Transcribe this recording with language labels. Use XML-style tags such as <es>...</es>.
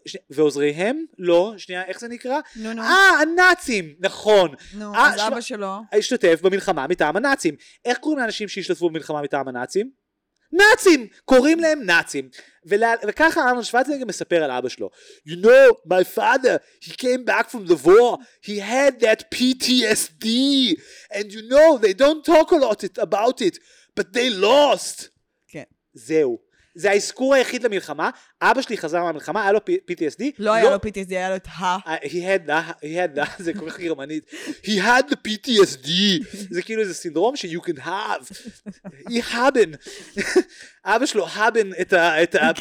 <he>ועוזריהם? לא, שנייה, איך זה נקרא? נו, נו. הנאצים, נכון. נו, אז אבא שלו. השתתף במלחמה מטעם הנאצים. איך קוראים לאנשים שהשתתפו במלחמה מטעם הנאצים? נאצים! קוראים להם נאצים. וככה ארנולד שוורצנגר מספר על אבא שלו.</he> <en>You know, my father, he came back from the war. He had that PTSD. And you know, they don't talk a lot about it. But they lost.</en> <he>כן. זהו. זה האזכור היחיד למלחמה. אבא שלי חזר מהמלחמה, היה לו PTSD. לא היה לו PTSD, היה לו את ה...</he> <en>He had,</en> <he>זה כל כך גרמנית.</he> <en>He had the PTSD.</en> <he>זה כאילו איזה סינדרום ש-</he> <en>you can have. He haben.</en> <he>אבא שלו haben את ה-PTSD.</he>